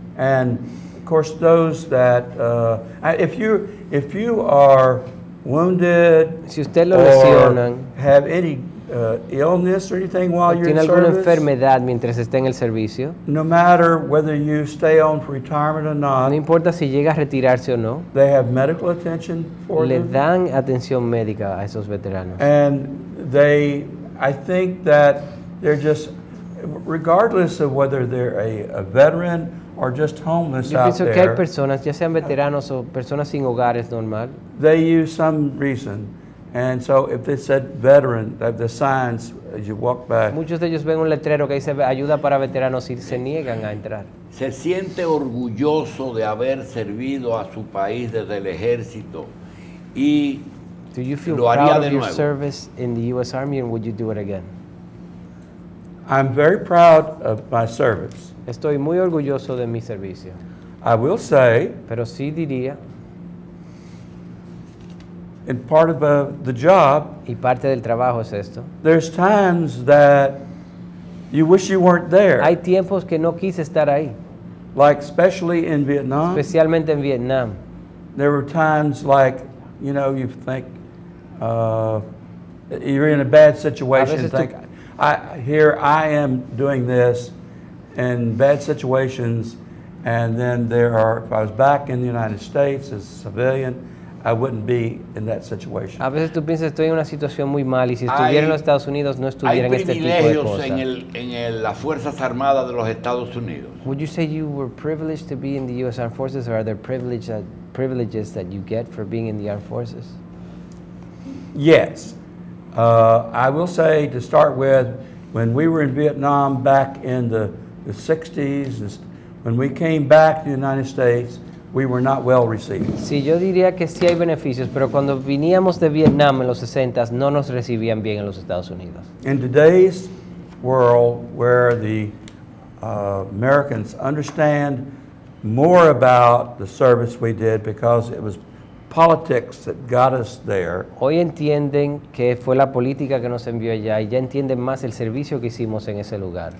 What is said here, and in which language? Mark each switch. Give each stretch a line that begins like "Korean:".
English: And of course, those that if you are wounded,
Spanish: si usted lo lesionan,
English: have any illness or anything while you're in service,
Spanish: tiene alguna enfermedad mientras esté en el servicio,
English: no matter whether you stay on for retirement or not,
Spanish: no importa si llega a retirarse o no,
English: they have medical attention for
Spanish: le
English: them.
Spanish: Le dan atención médica a esos veteranos.
English: And they, I think that. They're just, regardless of whether they're a veteran or just homeless out there.
Spanish: Yo pienso que hay personas, ya sean veteranos o personas sin hogares normal.
English: They use some reason. And so if they said veteran, the signs, as you walk by.
Spanish: Muchos de ellos ven un letrero que dice ayuda para veteranos y se niegan a entrar. Se siente orgulloso de haber servido a su país desde el ejército y
English: Do you feel proud of your service in the U.S. Army, and would you do it again? I'm very proud of my service.
Spanish: Estoy muy orgulloso de mi servicio.
English: I will say,
Spanish: pero sí diría,
English: and part of the job,
Spanish: y parte del trabajo es esto,
English: there's times that you wish you weren't there.
Spanish: Hay tiempos que no quise estar ahí.
English: Like especially in Vietnam.
Spanish: Especialmente en Vietnam.
English: There were times like, you know, you think you're in a bad situation. Here I am doing this in bad situations, and then there are, if I was back in the United States as a civilian, I wouldn't be in that situation.
Spanish: A veces tú piensas estoy en una situación muy mal y si estuviera en los Estados Unidos no estuviera en este tipo de cosas. Hay privilegios en las Fuerzas Armadas de los Estados Unidos.
English: Would you say you were privileged to be in the U.S. Armed Forces, or are there privileges that you get for being in the Armed Forces? Yes, I will say to start with, when we were in Vietnam back in the 60s, when we came back to the United States, we were not well received.
Spanish: Sí, yo diría que sí hay beneficios, pero cuando veníamos de Vietnam en los 60s, no nos recibían bien en los Estados Unidos.
English: In today's world, where the Americans understand more about the service we did because it was politics that got us there.
Spanish: Hoy entienden que fue la política que nos envió allá y ya entienden más el servicio que hicimos en ese lugar.